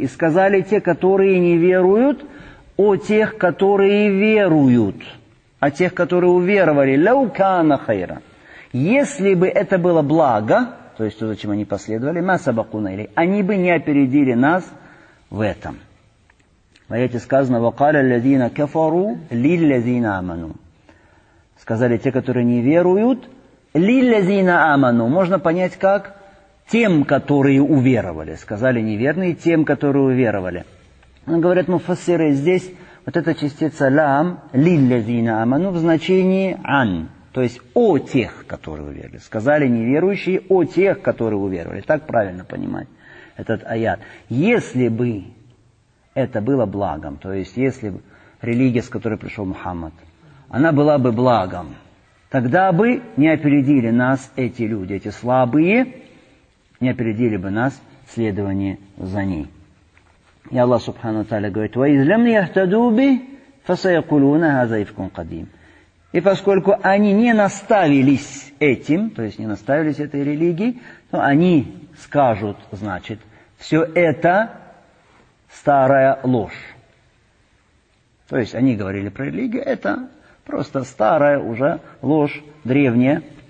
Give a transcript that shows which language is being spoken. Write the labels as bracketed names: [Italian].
[Russian] И сказали те, которые не веруют, о тех, которые веруют. О тех, которые уверовали. [Arabic] لَوْ كَانَ خَيْرًا. [Russian] Если бы это было благо, то есть то, зачем они последовали, [Arabic] مَا سَبَقُونَ إِلَيْهِ. [Russian] Они бы не опередили нас в этом. В аяте сказано [Arabic] وَقَالَ الَّذِينَ كَفَرُوا لِلَّذِينَ آمَنُوا. [Russian] Сказали те, которые не веруют, [Arabic] «Лиллязина аману» [Russian] можно понять как «тем, которые уверовали». Сказали неверные «тем, которые уверовали». Но говорят, ну, фассиры, здесь вот эта частица «лам» [Arabic] «лиллязина аману» [Russian] в значении «ан», то есть «о тех, которые уверовали». Сказали неверующие «о тех, которые уверовали». Так правильно понимать этот аят. Если бы это было благом, то есть если бы религия, с которой пришел Мухаммад, она была бы благом, тогда бы не опередили нас эти люди, эти слабые, не опередили бы нас в следовании за ней. И Аллах Субхану Тааля говорит, [Arabic] وَإِذْ لَمْ يَهْتَدُوا بِهِ فَسَيَقُولُونَ هَذَا إِفْكٌ قَدِيمٌ. [Russian] И поскольку они не наставились этим, то есть не наставились этой религией, то они скажут, значит, все это старая ложь. То есть они говорили про религию, это просто старая уже ложь, древняя.